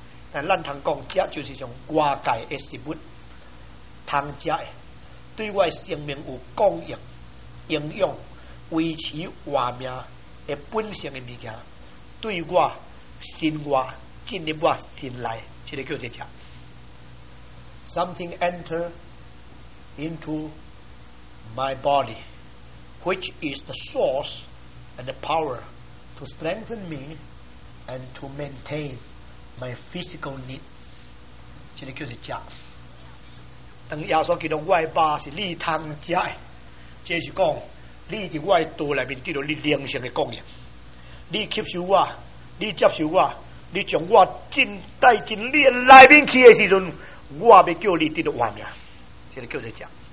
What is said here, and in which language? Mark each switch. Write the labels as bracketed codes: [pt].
[nan] 但咱通讲吃，就是从外界的食物通吃的，对我的生命有供应、营养、维持活命的本性的物件，对我心外进入我心内，这个叫做吃。 [en] Something enter into My body, which is the source and the power to strengthen me and to maintain my physical needs. [nan] 这个叫做吃。当耶稣基督，我的肉是你通吃的，这是讲你在我的肚里面得到你灵性的供应。你吸收我，你接受我，你将我进带进你的里面去的时阵，我要叫你得到活命。这个叫做吃。